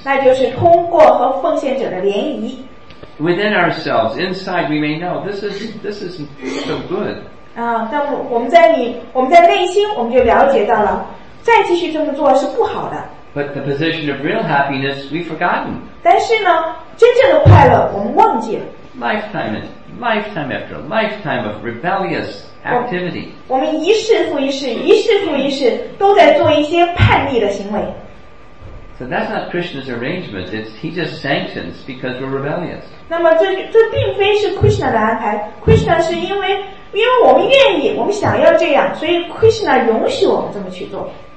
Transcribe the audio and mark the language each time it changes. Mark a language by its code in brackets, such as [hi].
[zh] 那就是通过和奉献者的联谊。 [en] Within ourselves, inside we may know this is so good. [zh] 啊，那么我们在内心我们就了解到了，再继续这么做是不好的。 [en] But the position of real happiness we've forgotten. [zh] 但是呢，真正的快乐我们忘记了。 [en] Lifetime and lifetime after lifetime of rebellious activity. [zh] 我们一世复一世，一世复一世，都在做一些叛逆的行为。 [en] So that's not Krishna's arrangement. It's he just sanctions because we're rebellious. [zh] 那么这并非是 Krishna 的安排。Krishna 是因为我们愿意，我们想要这样，所以 Krishna 允许我们这么去做。